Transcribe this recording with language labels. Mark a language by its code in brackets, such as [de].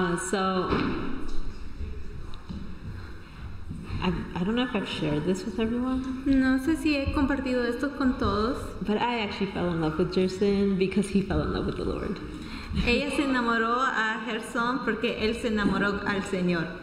[en] So I don't know if I've shared this with everyone. [es] No sé si he compartido esto con todos. [en] But I actually fell in love with Gerson because he fell in love with the Lord. [es] Ella se enamoró a Gerson porque él se enamoró al Señor.